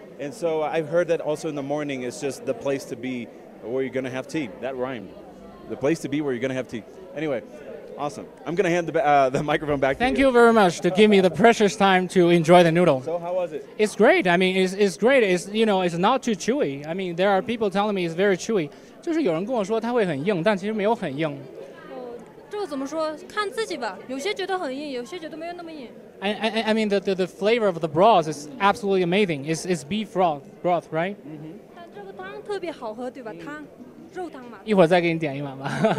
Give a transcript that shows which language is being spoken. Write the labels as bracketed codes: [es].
[en] And so I've heard that also in the morning is just the place to be where you're going to have tea. That rhymed. The place to be where you're going to have tea. Anyway. Awesome. I'm going to hand the microphone back to Thank you. Thank you very much to give me the precious time to enjoy the noodle. So how was it? It's great. I mean, it's great. It's, you know, it's not too chewy. I mean, there are people telling me it's very chewy. [zh] 就是有人跟我说它会很硬，但其实没有很硬。这个怎么说？看自己吧。有些觉得很硬，有些觉得没有那么硬。 [en] I mean, the flavor of the broth is absolutely amazing. It's beef broth, right? Mm-hmm. [zh] 但这个汤特别好喝，对吧？汤，肉汤嘛。一会儿再给你点一碗吧。